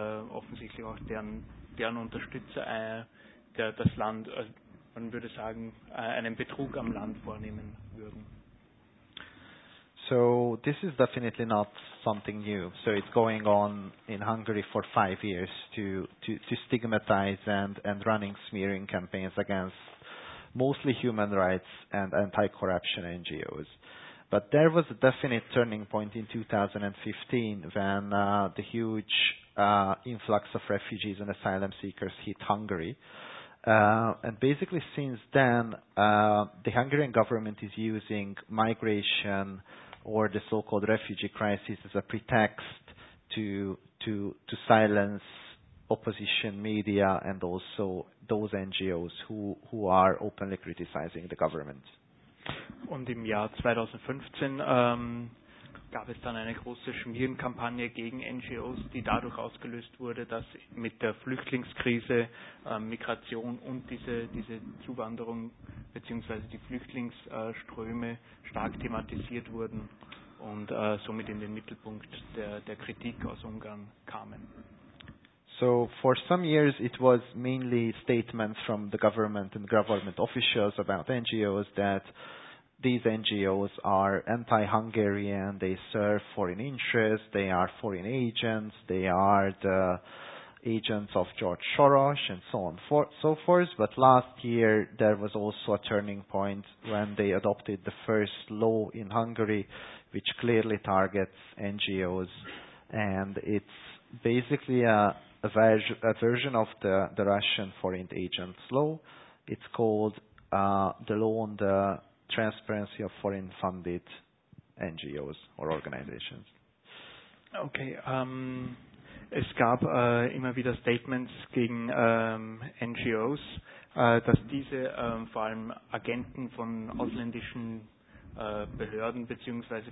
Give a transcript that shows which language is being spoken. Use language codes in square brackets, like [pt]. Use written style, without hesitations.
[de] Offensichtlich auch deren Unterstützer das Land, man würde sagen, einen Betrug am Land vornehmen würden. [en] So this is definitely not something new. So it's going on in Hungary for 5 years to stigmatize and running smearing campaigns against mostly human rights and anti-corruption NGOs. But there was a definite turning point in 2015 when the huge influx of refugees and asylum seekers hit Hungary. And basically since then, the Hungarian government is using migration or the so-called refugee crisis as a pretext to silence opposition media and also those NGOs who are openly criticizing the government. [de] Und im Jahr 2015 gab es dann eine große Schmierenkampagne gegen NGOs, die dadurch ausgelöst wurde, dass mit der Flüchtlingskrise Migration und diese Zuwanderung bzw. die Flüchtlingsströme stark thematisiert wurden und somit in den Mittelpunkt der Kritik aus Ungarn kamen. [en] So for some years it was mainly statements from the government and government officials about NGOs that these NGOs are anti-Hungarian, they serve foreign interests, they are foreign agents, they are the agents of George Soros and so on so forth. But last year there was also a turning point when they adopted the first law in Hungary which clearly targets NGOs, and it's basically a version of the Russian foreign agents law. It's called the law on the transparency of foreign funded NGOs or organizations. [de] Okay, es gab immer wieder Statements gegen NGOs, dass diese vor allem Agenten von ausländischen Behörden bzw.